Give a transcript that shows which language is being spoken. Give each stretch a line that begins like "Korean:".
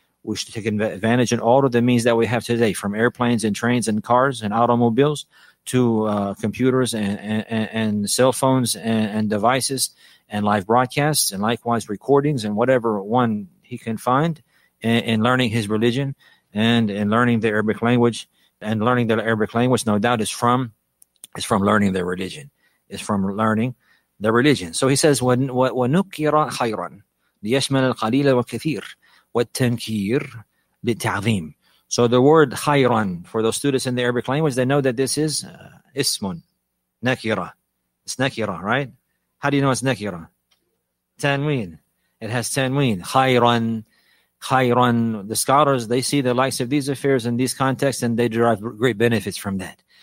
English: We should take advantage in all of the means that we have today, from airplanes and trains and cars and automobiles to computers and cell phones and devices and live broadcasts and likewise recordings and whatever one he can find in learning his religion and in learning the Arabic language. And learning the Arabic language, no doubt, is from learning their religion. It's from learning their religion. So he says,
Arabic: وَنُكِّرَ خَيْرًا لِيَشْمَلَ الْقَلِيلَ وَالْكَثِيرَ وَالْتَنْكِيرَ بِالْتَعْظِيمِ.
English: So the word خَيْرًا, for those students in the Arabic language, they know that this is ismun, nakira. It's nakira, right? How do you know it's nakira? Tanween. It has tanween. خَيْرًا. خَيْرًا. The scholars, they see the likes of these affairs in these contexts, and they derive great benefits from that.